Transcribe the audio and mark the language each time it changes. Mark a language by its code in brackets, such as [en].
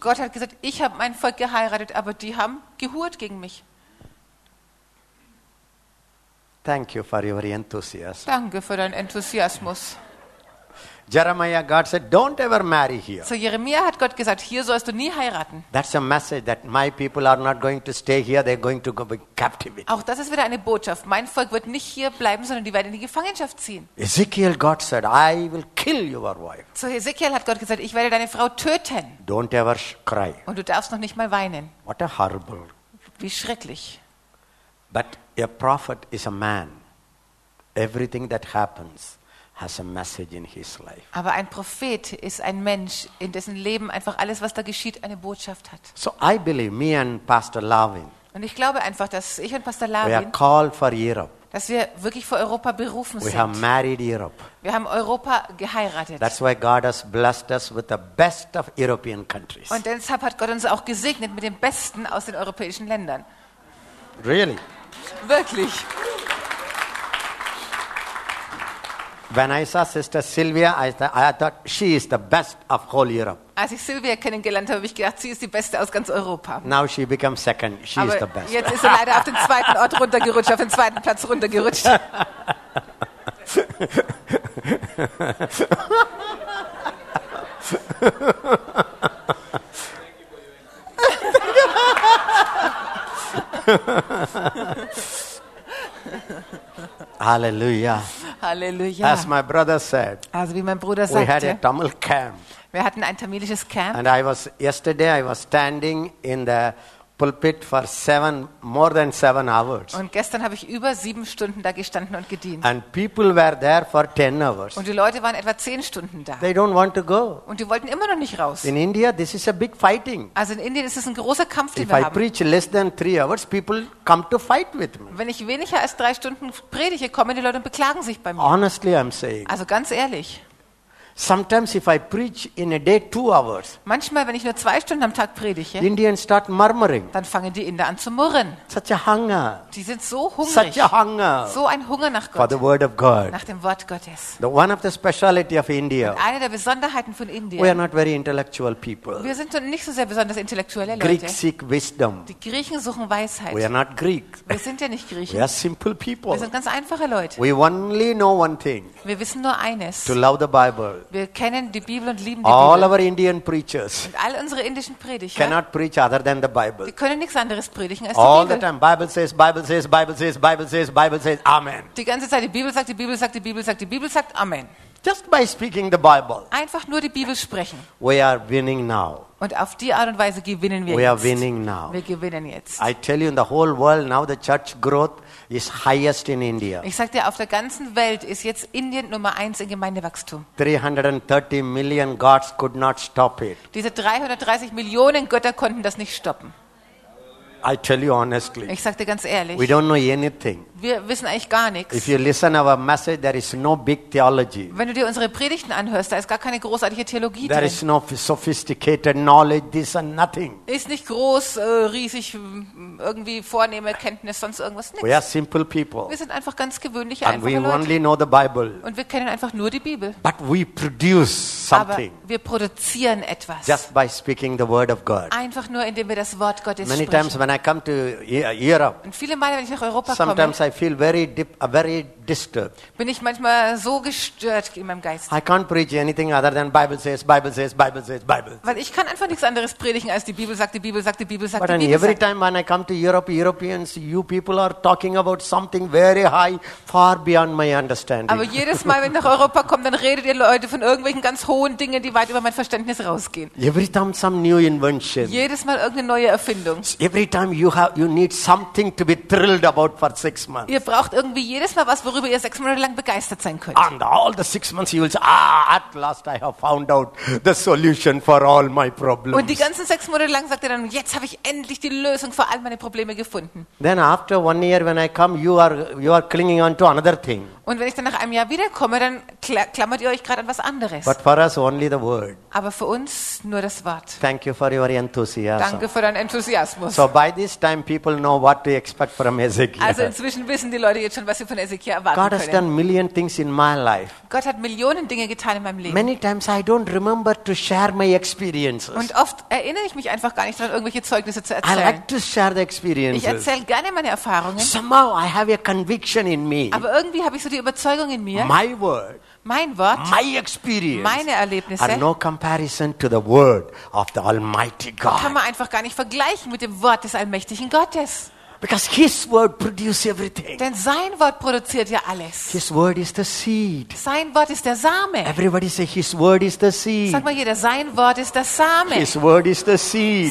[de] Gott hat gesagt, ich habe mein Volk geheiratet, aber die haben gehurt gegen mich. [en] Thank you for your enthusiasm. [de] Danke für deinen Enthusiasmus. [en] Jeremiah, God said, don't ever marry here. [de] So Jeremia hat Gott gesagt, hier sollst du nie heiraten. [en] That's a message that my people are not going to stay here, they're going to go be captive. [de] Auch das ist wieder eine Botschaft. Mein Volk wird nicht hier bleiben, sondern die werden in die Gefangenschaft ziehen. [en] Ezekiel, God said, I will kill your wife. [de] So Ezekiel hat Gott gesagt, ich werde deine Frau töten. [en] Don't ever cry. [de] Und du darfst noch nicht mal weinen. [en] What a horrible. [de] Wie schrecklich. [en] But a prophet is a man. Everything that happens has a message in his life. [de] Aber ein Prophet ist ein Mensch, in dessen Leben einfach alles, was da geschieht, eine Botschaft hat. [en] So I believe me and Pastor Lavin. [de] Und ich glaube einfach, dass ich und Pastor Lavin. [en] We are called for Europe. [de] Dass wir wirklich vor Europa berufen [en] we [de] sind. [en] We have married Europe. [de] Wir haben Europa geheiratet. [en] That's why God has blessed us with the best of European countries. [de] Und deshalb hat Gott uns auch gesegnet mit dem Besten aus den europäischen Ländern. [en] Really? [de] Wirklich? [en] When I saw Sister Sylvia, I thought she is the best of whole Europe. [de] Als ich Sylvia kennengelernt habe, habe ich gedacht, sie ist die Beste aus ganz Europa. [en] Now she becomes second. She [de] Aber [en] is the best. [de] Jetzt ist sie leider auf den zweiten Ort runtergerutscht, auf den zweiten Platz runtergerutscht. [en] Hallelujah. [de] Hallelujah. [en] As my brother said. [de] Also wie mein Bruder [en] we [de] sagte. [en] We had a Tamil camp. [de] Wir hatten ein tamilisches Camp. [en] And I was yesterday I was standing in the pulpit for more than seven hours. [de] Und gestern habe ich über 7 Stunden da gestanden und gedient. [en] And people were there for 10 hours. [de] Und die Leute waren etwa 10 Stunden da. [en] They don't want to go. [de] Und die wollten immer noch nicht raus. [en] In India this is a big fighting. [de] Also in Indien ist es ein großer Kampf, den [en] If [de] wir [en] I [de] haben. [en] Preach less than 3 hours, people come to fight with me. [de] Wenn ich weniger als 3 Stunden predige, kommen die Leute und beklagen sich bei mir. [en] Honestly I'm saying. [de] Also ganz ehrlich. [en] Sometimes if I preach in a day 2 hours. [de] Manchmal, wenn ich nur 2 Stunden am Tag predige. [en] The Indians start murmuring. [de] Dann fangen die Inder an zu murren. [en] Such a hunger. [de] Die sind so hungrig. [en] Such a hunger. [de] So ein Hunger nach Gott. [en] For the word of God. [de] Nach dem Wort Gottes. [en] The one of the speciality of India. [de] Und eine der Besonderheiten von Indien. [en] We are not very intellectual people. [de] Wir sind nicht so sehr besonders intellektuelle Leute. [en] Greeks seek wisdom. [de] Die Griechen suchen Weisheit. [en] We are not Greeks. [de] Wir sind ja nicht Griechen. [en] We are simple people. [de] Wir sind ganz einfache Leute. [en] We only know one thing. [de] Wir wissen nur eines. [en] To love the Bible. [de] Wir kennen die Bibel und lieben [en] all [de] die Bibel. [en] All our Indian preachers. [de] Und all unsere indischen Prediger. [en] Cannot preach other than the Bible. [de] Die können nichts anderes predigen als [en] all [de] die Bibel. [en] The time Bible says, Bible says, Bible says, Bible says, Bible says, Amen. [de] Die ganze Zeit die Bibel sagt, die Bibel sagt, die Bibel sagt, die Bibel sagt, Amen. [en] Just by speaking the Bible. [de] Einfach nur die Bibel sprechen. [en] We are winning now. [de] Und auf die Art und Weise gewinnen wir [en] we [de] jetzt. [en] We are winning now. [de] Wir gewinnen jetzt. [en] I tell you, in the whole world now the church growth is highest in India. [de] Ich sag dir, auf der ganzen Welt ist jetzt Indien Nummer 1 in Gemeindewachstum. [en] 330 million gods could not stop it. [de] Diese 330 Millionen Götter konnten das nicht stoppen. [en] I tell you honestly. [de] Ich sag dir ganz ehrlich. [en] We don't know anything. [de] Wir wissen eigentlich gar nichts. [en] If you listen our message, there is no big theology. [de] Wenn du dir unsere Predigten anhörst, da ist gar keine großartige Theologie [en] there [de] drin. [en] There is no sophisticated knowledge. This and nothing. [de] Ist nicht groß, riesig, irgendwie vornehme Kenntnis, sonst irgendwas. Nichts. [en] We are simple people. [de] Wir sind einfach ganz gewöhnliche einfache Leute. [en] And we only know the Bible. [de] Und wir kennen einfach nur die Bibel. [en] But we produce something. [de] Aber wir produzieren etwas. [en] Just by speaking the word of God. [de] Einfach nur indem wir das Wort Gottes [en] many [de] sprechen. [en] Many times when I come to Europe. [de] Und viele Male, wenn ich nach Europa [en] sometimes [de] komme. [en] I feel very deep, very disturbed. [de] Bin ich manchmal so gestört in meinem Geist. [en] I can't preach anything other than Bible says, Bible says, Bible says, Bible. [de] Weil ich kann einfach nichts anderes predigen als die Bibel sagt, die Bibel sagt, die Bibel sagt, [en] but [de] die Bibel sagt. [en] Every time when I come to Europe, Europeans, you people are talking about something very high, far beyond my understanding. [de] Aber jedes Mal, wenn ich nach Europa komme, dann redet ihr Leute von irgendwelchen ganz hohen Dingen, die weit über mein Verständnis rausgehen. [en] Every time some new invention. [de] Jedes Mal irgendeine neue Erfindung. [en] Every time you need something to be thrilled about for 6 months. [de] Ihr braucht irgendwie jedes Mal was, worüber ihr 6 Monate lang begeistert sein könnt. [en] And all the 6 months you will say, ah, at last I have found out the solution for all my problems. [de] Und die ganzen 6 Monate lang sagt ihr dann, jetzt habe ich endlich die Lösung für all meine Probleme gefunden. [en] Then after 1 year when I come, you are clinging on to another thing. [de] Und wenn ich dann nach einem Jahr wiederkomme, dann klammert ihr euch gerade an was anderes. [en] But for us only the word. [de] Aber für uns nur das Wort. [en] Thank you for your enthusiasm. [de] Danke für deinen Enthusiasmus. [en] So by this time people know what to expect from Ezekiel. [de] Also inzwischen wissen die Leute jetzt schon, was sie von Ezekiel erwarten [en] God [de] können. [en] God has done million things in my life. [de] Gott hat Millionen Dinge getan in meinem Leben. [en] Many times I don't remember to share my experiences. [de] Und oft erinnere ich mich einfach gar nicht daran, irgendwelche Zeugnisse zu erzählen. [en] I like to share the experiences. [de] Ich erzähle gerne meine Erfahrungen. [en] Somehow I have a conviction in me. [de] Aber irgendwie habe ich so die Überzeugung in mir. [en] My word. [de] Mein Wort, [en] my experience, [de] meine Erlebnisse, [en] are no comparison to the word of the Almighty God. [de] Kann man einfach gar nicht vergleichen mit dem Wort des allmächtigen Gottes. [en] Because his word produces everything. [de] Denn sein Wort produziert ja alles. [en] His word is the seed. [de] Sein Wort ist der Same. [en] Everybody say his word is the seed. [de] Sag mal jeder, sein Wort ist der Same. [en] His word is the seed.